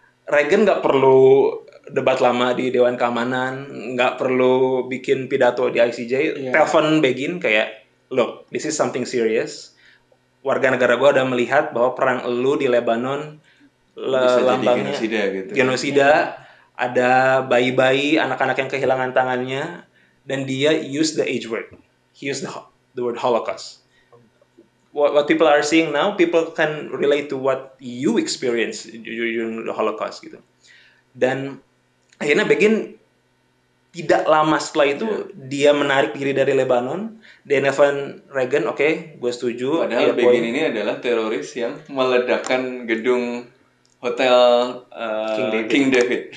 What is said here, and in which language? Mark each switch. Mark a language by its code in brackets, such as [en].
[id] Reagan nggak perlu debat lama di Dewan Keamanan, nggak perlu bikin pidato di ICJ, telepon Begin kayak, [en] look, this is something serious. [id] Warga negara gue udah melihat bahwa perang elu di Lebanon lambangnya genosida gitu. Genosida, ada bayi-bayi, anak-anak yang kehilangan tangannya, dan dia [en] use the H word. He use the word Holocaust. What people are seeing now, people can relate to what you experience during the Holocaust gitu. Dan [id] akhirnya Begin tidak lama setelah itu dia menarik diri dari Lebanon. Dan Evan Reagan, okay, gue setuju. Padahal ya, Begin ini adalah teroris yang meledakkan gedung hotel King David.